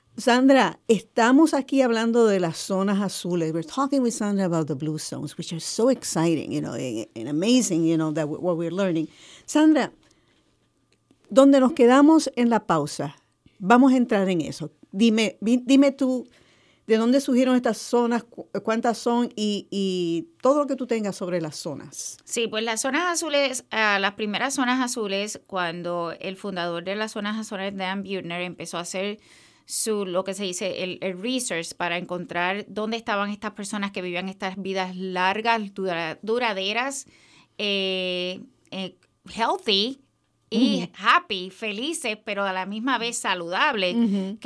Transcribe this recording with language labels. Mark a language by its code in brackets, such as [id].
[es] Sandra, estamos aquí hablando de las zonas azules. [en] We're talking with Sandra about the blue zones, which are so exciting, you know, and amazing, you know, that what we're learning. [es] Sandra, donde nos quedamos en la pausa, vamos a entrar en eso. Dime tú, ¿de dónde surgieron estas zonas? ¿Cuántas son? Y todo lo que tú tengas sobre las zonas. Sí, pues las zonas azules, las primeras zonas azules, cuando el fundador de las zonas azules, Dan Buettner, empezó a hacer su, lo que se dice, el research para encontrar dónde estaban estas personas que vivían estas vidas largas, duraderas, healthy, y happy, felices, pero a la misma vez saludables, uh-huh.